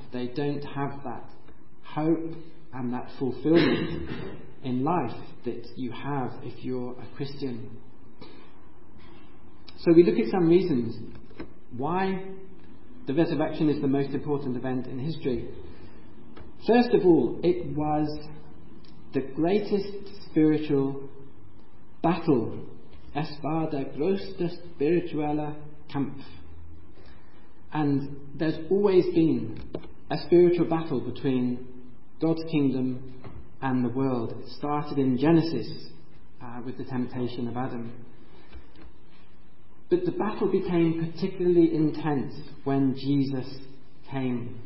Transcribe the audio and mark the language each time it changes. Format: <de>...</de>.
<en>They don't have that hope and that fulfillment in life that you have if you're a Christian. So we look at some reasons why the resurrection is the most important event in history. First of all, it was the greatest spiritual battle.</en> <de>Es war der größte spirituelle Kampf.</de> <en>And there's always been a spiritual battle between God's kingdom and the world. It started in Genesis with the temptation of Adam. But the battle became particularly intense when Jesus came.</en>